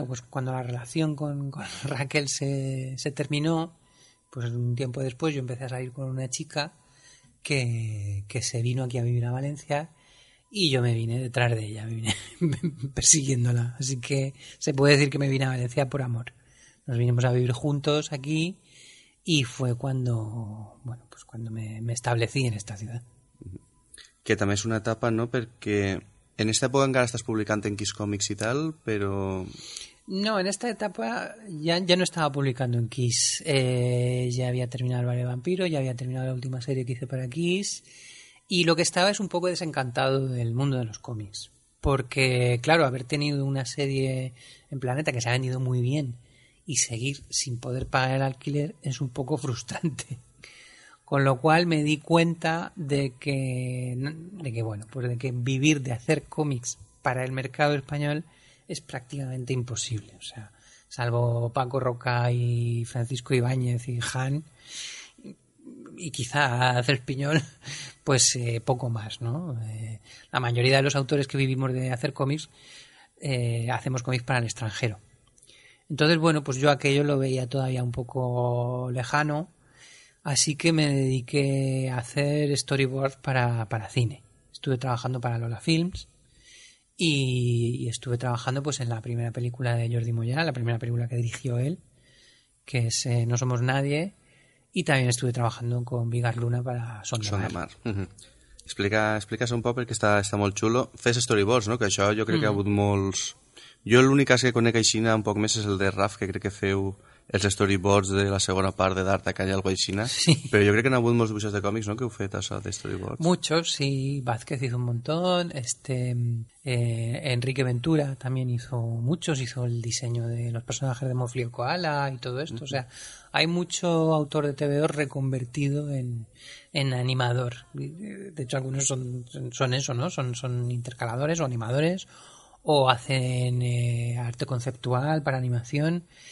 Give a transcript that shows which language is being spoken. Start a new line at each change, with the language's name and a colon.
Spanish: cuando la relación con Raquel se terminó, pues un tiempo después yo empecé a salir con una chica que se vino aquí a vivir a Valencia y yo me vine detrás de ella, me vine persiguiéndola. Así que se puede decir que me vine a Valencia por amor. Nos vinimos a vivir juntos aquí y fue cuando, bueno, pues cuando me establecí en esta ciudad.
Catalan: Que també és una etapa, no?, perquè en aquesta època encara estàs publicant en Kiss Comics i tal, però... No, en aquesta etapa ja no estava publicant en Kiss. Ja havia terminat el Ballet Vampiro, ja havia terminat l'última sèrie que hice per a Kiss, i
Spanish: lo que estava és un poco desencantado del mundo de los cómics. Porque, claro, haber tenido una sèrie en Planeta que se ha vendido muy bien y seguir sin poder pagar el alquiler es un poco frustrante. Con lo cual me di cuenta de que vivir de hacer cómics para el mercado español es prácticamente imposible. O sea, salvo Paco Roca y Francisco Ibáñez y Han, y quizá Cespiñol, pues poco más, ¿no? La mayoría de los autores que vivimos de hacer cómics hacemos cómics para el extranjero. Entonces, bueno, pues yo aquello lo veía todavía un poco lejano. Así que me dediqué a hacer storyboards para cine. Estuve trabajando para Lola Films y estuve trabajando pues en la primera película de Jordi Mollà, la primera película que dirigió él, que es No somos nadie, y también estuve trabajando con Vigar Luna para Son de Mar. Uh-huh.
Catalan: Explica un poc, perquè està molt xulo. Fes storyboards, no? Que això jo crec que ha hagut molts... Jo l'únic cas que conec així un poc més és el de Raf, que crec que feu... els storyboards de la segona part de D'Art, aquella algo així, sí. Però jo crec que n'ha hagut molts dibuixos de còmics, no?, que heu fet això de storyboards.
Spanish: Muchos, sí, Vázquez hizo un montón, Enrique Ventura también hizo muchos, hizo el diseño de los personajes de Mofli y Koala y todo esto, o sea, hay mucho autor de TVO reconvertido en animador, de hecho algunos son eso, ¿no?, son intercaladores o animadores, o hacen arte conceptual para animación.